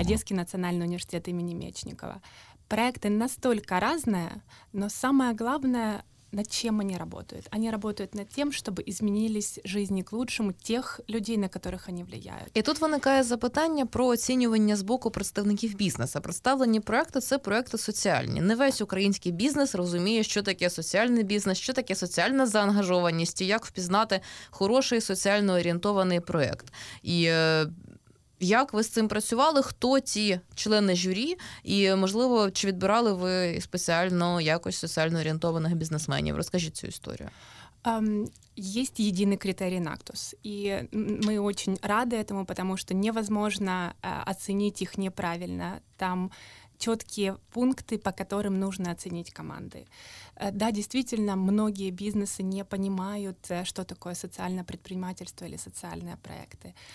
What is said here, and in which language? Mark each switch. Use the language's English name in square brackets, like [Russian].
[Russian] Одесский национальный университет имени Мечникова. Проекты настолько разные, но самое главное, над чем они работают. Они работают над тем, чтобы изменились жизни к лучшему тех людей, на которых они влияют. [Ukrainian] И тут виникає запитання про оцінювання з боку представників бізнесу. Представлені проекти – це проекти соціальні. Не весь український бізнес розуміє, що таке соціальний бізнес, що таке соціальна заангажованість, і як впізнати хороший соціально орієнтований проект. І Як ви з цим працювали? Хто ті члени журі? І, можливо, чи відбирали ви спеціально якось соціально орієнтованих бізнесменів? Розкажіть цю історію. [Russian] Есть единый критерий НАКТУС, и мы очень рады этому, потому что невозможно оценить их неправильно. Там четкие пункты, по которым нужно оценить команды. Да, действительно, многие бизнесы не понимают, что такое социальное предпринимательство или социальные проекты.